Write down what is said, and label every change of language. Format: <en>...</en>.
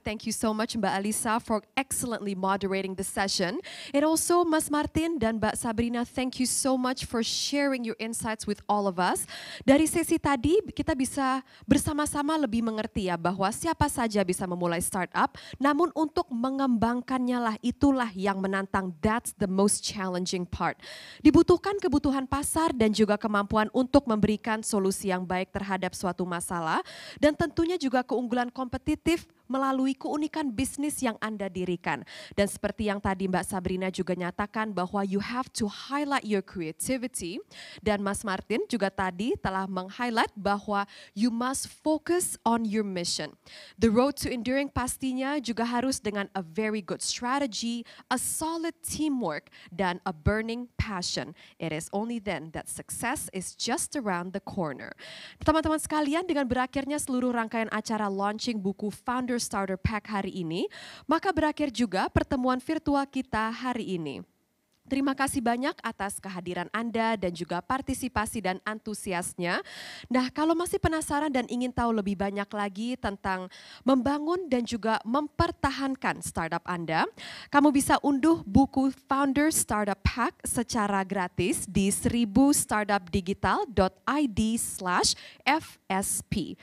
<en>Thank you so much Mbak Alisa for excellently moderating the session. And also Mas Martin</en> <id>dan</id> <en>Mbak Sabrina, thank you so much for sharing your insights with all of us.</en> <id>Dari sesi tadi, kita bisa bersama-sama lebih mengerti ya bahwa siapa saja bisa memulai startup, namun untuk mengembangkannya lah, itulah yang menantang.</id> <en>That's the most challenging part.</en> <id>Dibutuhkan kebutuhan pasar dan juga kemampuan untuk memberikan solusi yang baik terhadap suatu masalah, dan tentunya juga keunggulan kompetitif melalui keunikan bisnis yang Anda dirikan. Dan seperti yang tadi Mbak Sabrina juga nyatakan bahwa</id> <en>you have to highlight your creativity,</en> <id>dan Mas Martin juga tadi telah meng-highlight bahwa</id> <en>you must focus on your mission. The road to enduring</en> <id>pastinya juga harus dengan</id> <en>a very good strategy, a solid teamwork,</en> <id>dan</id> <en>a burning passion. It is only then that success is just around the corner.</en> <id>Teman-teman sekalian, dengan berakhirnya seluruh rangkaian acara launching buku Founder Starter Pack hari ini, maka berakhir juga pertemuan virtual kita hari ini. Terima kasih banyak atas kehadiran Anda dan juga partisipasi dan antusiasnya. Nah, kalau masih penasaran dan ingin tahu lebih banyak lagi tentang membangun dan juga mempertahankan startup Anda, kamu bisa unduh buku Founder Startup Pack secara gratis di 1000startupdigital.id/fsp.</id>